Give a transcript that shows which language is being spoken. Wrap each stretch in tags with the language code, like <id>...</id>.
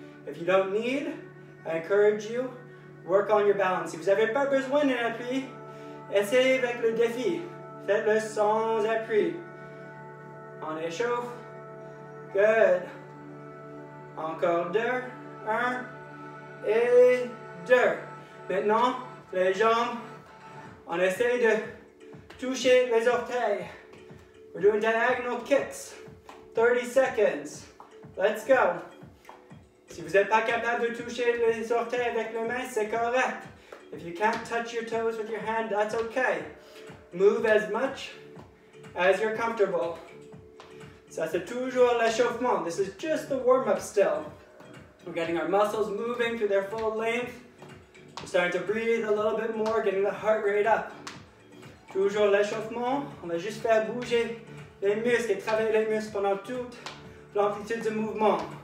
<en>If you don't need, I encourage you, work on your balance.</en> <fr>Si vous avez pas besoin d'un appui, essayez avec le défi. Faites-le sans appui. On échauffe. Good. Encore 2, 1, et 2. Maintenant, les jambes, on essaie de toucher les orteils.</fr> <en>We're doing diagonal kicks. 30 seconds. Let's go.</en> <fr>Si vous n'êtes pas capable de toucher les orteils avec les mains, c'est correct.</fr> <en>If you can't touch your toes with your hand, that's okay. Move as much as you're comfortable.</en> <fr>Ça, c'est toujours l'échauffement.</fr> <en>This is just the warm-up still. We're getting our muscles moving to their full length. We're starting to breathe a little bit more, getting the heart rate up.</en> <fr>Toujours l'échauffement. On va juste faire bouger les muscles et travailler les muscles pendant toute l'amplitude du mouvement.</fr>